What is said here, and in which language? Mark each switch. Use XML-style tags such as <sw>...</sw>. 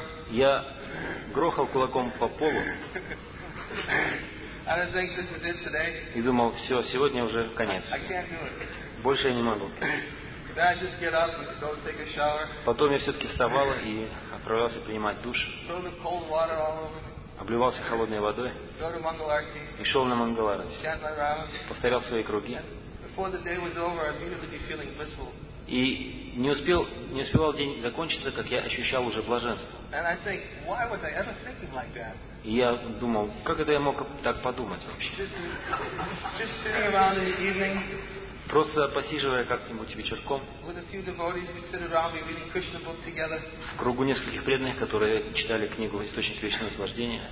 <ru>Я грохал кулаком по полу.</ru> <en>And I think this is it today.</en> <ru>И думал, все, сегодня уже конец.</ru> <en>I can't do it.</en> <ru>Больше я не могу.</ru> <en>Then I just get up and go take a shower.</en> <ru>Потом я все-таки вставал и отправлялся принимать душ.</ru> <en>Throw the cold water all over me.</en> <ru>Обливался холодной водой.</ru> <en>Go to Mangalarki.</en> <ru>И шел на Мангаларати.</ru> <en>Chant my rounds.</en> <ru>Повторял свои круги.</ru> <en>And before the day was over, I immediately be feeling blissful.</en> <ru>И не успевал день закончиться, как я ощущал уже блаженство.</ru> <en>And I think, why was I ever thinking like that?</en> <ru>И я думал, как это я мог так подумать вообще?</ru> <en>Just sitting around in the evening.</en> <ru>Просто посиживая как-нибудь вечерком.</ru> <en>With a few devotees, we sit around, we read a Krishna book together.</en> <ru>В кругу нескольких преданных, которые читали книгу «Источник вечного наслаждения».</ru>